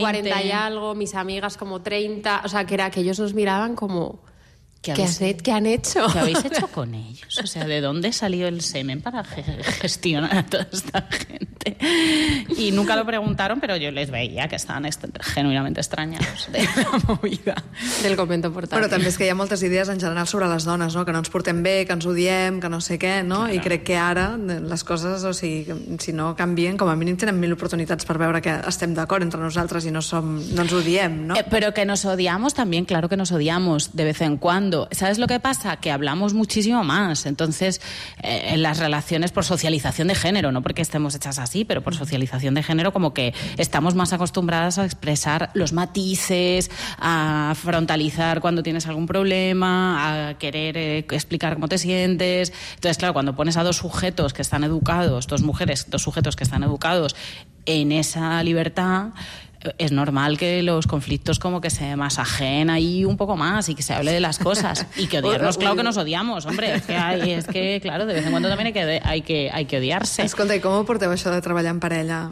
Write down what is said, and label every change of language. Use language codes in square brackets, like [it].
[es] 40 y algo, mis amigas como 30, o sea, que era que ellos nos miraban como... ¿Qué han hecho? ¿Qué habéis hecho con ellos? O sea, ¿de dónde salió el semen para gestionar a toda esta gente? Y nunca lo preguntaron, pero yo les veía que estaban genuinamente extrañados de la movida. Del convento portátil. [ca] Però també és que hi ha moltes idees en general sobre les dones, no? Que no ens portem bé, que ens odiem, que no sé què, no? Claro. I crec que ara les coses, o sigui, si no canvien, com a mínim tenen mil oportunitats per veure que estem d'acord entre nosaltres i no ens odiem, no? [es] Però que nos odiamos también, claro que nos odiamos de vez en cuando. ¿Sabes lo que pasa? Que hablamos muchísimo más. Entonces, en las relaciones por socialización de género, no porque estemos hechas así, pero por socialización de género, como que estamos más acostumbradas a expresar los matices, a frontalizar cuando tienes algún problema, a querer explicar cómo te sientes. Entonces, claro, cuando pones a dos sujetos que están educados, dos mujeres, dos sujetos que están educados en esa libertad, es normal que los conflictos como que se masajeen ahí un poco más y que se hable de las cosas y que odiarnos, claro que nos odiamos, hombre, es que claro, de vez en cuando también hay que odiarse. [ca] Escolta, i com ho porteu això de treballar en parella?